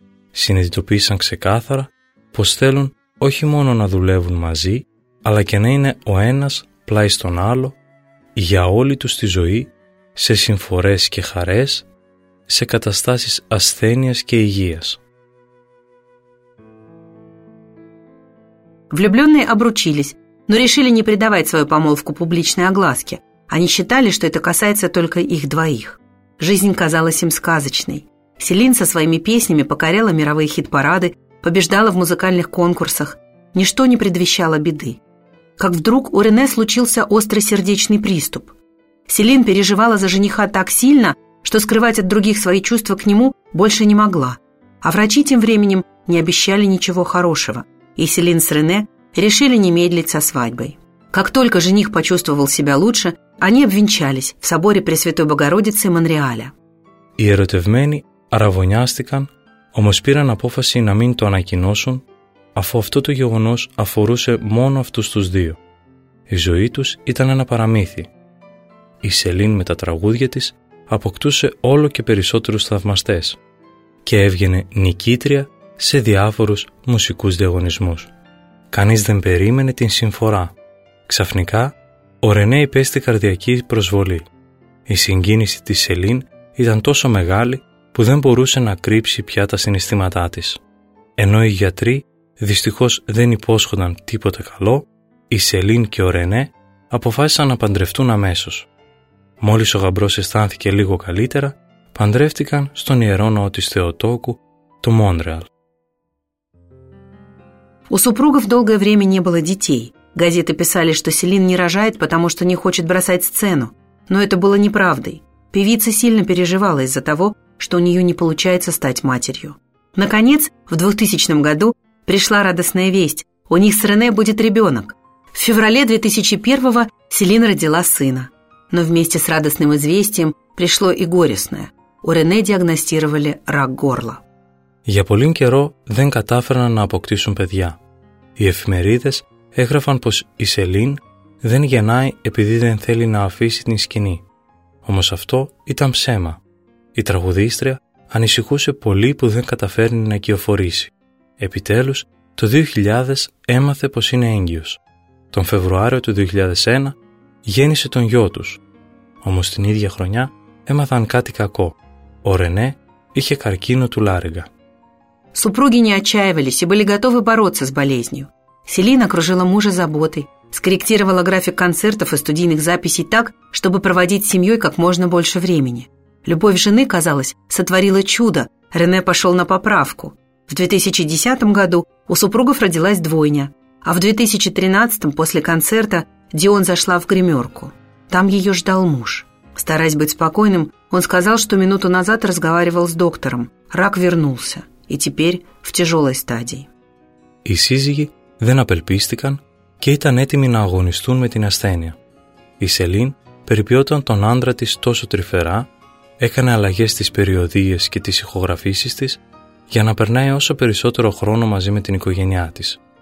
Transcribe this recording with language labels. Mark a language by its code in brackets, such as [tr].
[el] Συνειδητοποίησαν ξεκάθαρα πως θέλουν όχι μόνο να δουλεύουν μαζί, αλλά και να είναι ο ένας πλάι στον άλλο, για όλη τους τη ζωή, σε συμφορές και χαρές, σε καταστάσεις ασθένειας και υγείας. [ru] Влюбленные обручились, но решили не предавать свою помолвку публичной огласке. Они считали, что это касается только их двоих. Жизнь казалась им сказочной. Селин со своими песнями покоряла мировые хит-парады, побеждала в музыкальных конкурсах. Ничто не предвещало беды. Как вдруг у Рене случился острый сердечный приступ. Селин переживала за жениха так сильно, что скрывать от других свои чувства к нему больше не могла. А врачи тем временем не обещали ничего хорошего. И Селин с Рене решили не медлить со свадьбой. Как только жених почувствовал себя лучше, они обвенчались в соборе Пресвятой Богородицы Монреаля. [el] Οι ερωτευμένοι αραβωνιάστηκαν, όμως πήραν απόφαση να μην το ανακοινώσουν, αφού αυτό το γεγονός αφορούσε μόνο αυτούς τους δύο. Η ζωή τους ήταν ένα παραμύθι. Η Σελίν με τα τραγούδια της αποκτούσε όλο και περισσότερους θαυμαστές και έβγαινε νικήτρια σε διάφορους μουσικούς διαγωνισμούς. Κανείς δεν περίμενε την συμφορά. Ξαφνικά, ο Ρενέ υπέστη καρδιακή προσβολή. Η συγκίνηση της Σελίν ήταν τόσο μεγάλη που δεν μπορούσε να κρύψει πια τα συναισθήματά της. Ενώ οι γιατροί δυστυχώς δεν υπόσχονταν τίποτα καλό, η Σελίν και ο Ρενέ αποφάσισαν να παντρευτούν αμέσως. Μόλις ο γαμπρός αισθάνθηκε λίγο καλύτερα, παντρεύτηκαν στον ιερό ναό της Θεοτόκου, του Μόντρεαλ. [ru] У супругов долгое время не было детей. Газеты писали, что Селин не рожает, потому что не хочет бросать сцену. Но это было неправдой. Певица сильно переживала из-за того, что у нее не получается стать матерью. Наконец, в 2000 году пришла радостная весть. У них с Рене будет ребенок. В феврале 2001 Селин родила сына. Но вместе с радостным известием пришло и горестное. У Рене диагностировали рак горла. [el] Για πολύ καιρό δεν κατάφεραν να αποκτήσουν παιδιά. Οι εφημερίδες έγραφαν πως η Σελίν δεν γεννάει επειδή δεν θέλει να αφήσει την σκηνή. Όμως αυτό ήταν ψέμα. Η τραγουδίστρια ανησυχούσε πολύ που δεν καταφέρνει να οικειοφορήσει. Επιτέλους, το 2000 έμαθε πως είναι έγκυος. Τον Φεβρουάριο του 2001 γέννησε τον γιο τους. Όμως την ίδια χρονιά έμαθαν κάτι κακό. Ο Ρενέ είχε καρκίνο του λάρυγα. [ru] Супруги не отчаивались и были готовы бороться с болезнью. Селин окружила мужа заботой, скорректировала график концертов и студийных записей так, чтобы проводить с семьей как можно больше времени. Любовь жены, казалось, сотворила чудо. Рене пошел на поправку. В 2010 году у супругов родилась двойня, а в 2013 после концерта Дион зашла в гримерку. Там ее ждал муж. Стараясь быть спокойным, он сказал, что минуту назад разговаривал с доктором. Рак вернулся. И теперь в тяжелой стадии. [el] Οι σύζυγοι δεν απελπίστηκαν και ήταν έτοιμοι να αγωνιστούν με την ασθένεια. Η Σελίν περιποιόταν τον άντρα της τόσο τρυφερά, έκανε αλλαγές στις περιοδίες και τις ηχογραφήσεις της για να περνάει όσο περισσότερο χρόνο μαζί με την οικογένειά της.